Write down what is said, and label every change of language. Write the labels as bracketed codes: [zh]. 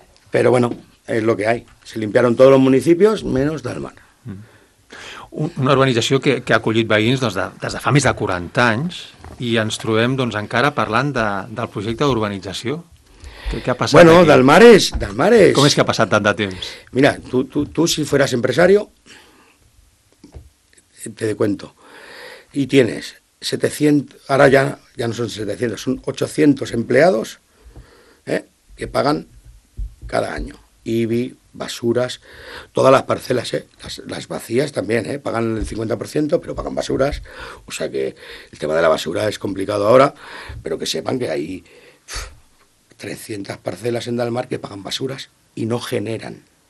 [es] Pero bueno, es lo que hay, se limpiaron todos los municipios menos Dalmar. [ca] Una urbanització que ha acollit veïns doncs, des de fa més de 40 anys i ens trobem doncs, encara parlant del projecte d'urbanització. [es] ¿Qué ha pasado? Bueno, Dalmares. ¿Cómo es que ha pasado tanto tiempo? Mira, tú si fueras empresario, te cuento, y tienes 700, ahora ya no son 700, son 800 empleados que pagan cada año, IBI, basuras, todas las parcelas, las vacías también, pagan el 50%, pero pagan basuras, o sea que el tema de la basura es complicado ahora, pero que sepan que hay 300 parcelas en Dalmar que pagan basuras y no generan.